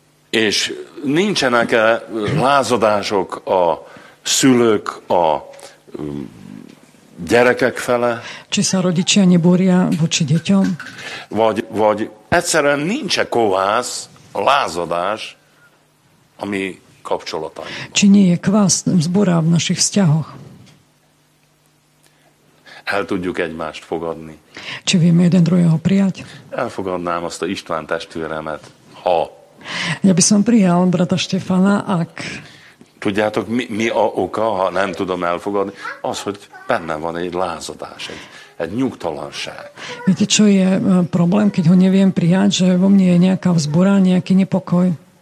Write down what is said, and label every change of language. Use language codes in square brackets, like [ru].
[hu] És nincsenek lázadások a szülők a gyerekek fele. [sk] Či sa rodičia nebúria voči deťom? [hu] Vagy egyszerűen nincs-e kovász, lázadás a mi kapcsolatainkban? [sk] Či nie je kvás zbúra v našich vzťahoch? [hu] El tudjuk egymást fogadni. [sk] Či vieme jeden druhého prijať? [hu] Elfogadnám azt a István testvéremet, ha. [sk] Ja by som prijal brata Štefana, ak... [hu] Tudjátok, mi a oka, ha nem tudom elfogadni? Az, hogy benne van egy lázadás, egy nyugtalanság. [sk] Viete, čo je problém, keď ho neviem prijať, že vo mne je nejaká vzbúra, nejaký nepokoj?